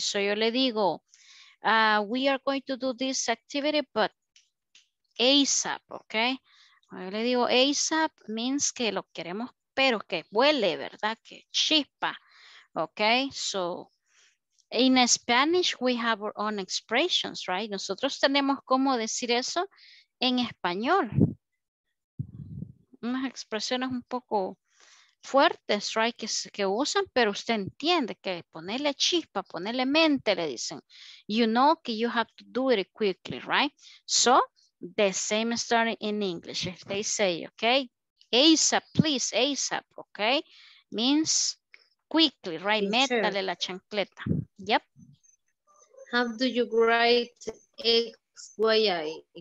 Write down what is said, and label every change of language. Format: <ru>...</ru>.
<en>So</en> <es>yo le digo,</es> <en>we are going to do this activity, but ASAP, okay?</en> <es>Yo le digo ASAP means que lo queremos, pero que vuele, ¿verdad? Que chispa, okay?</es> <en>So in Spanish, we have our own expressions, right?</en> <es>Nosotros tenemos cómo decir eso en español. Unas expresiones un poco fuertes, right, que usan, pero usted entiende que ponerle chispa, ponerle mente, le dicen.</es> <en>You know que you have to do it quickly, right? So, the same story in English. If they say, okay, ASAP, please, ASAP, okay? Means quickly, right?</en> <es>Sí, métale la chancleta.</es> <en>Yep. How do you write XYI?</en>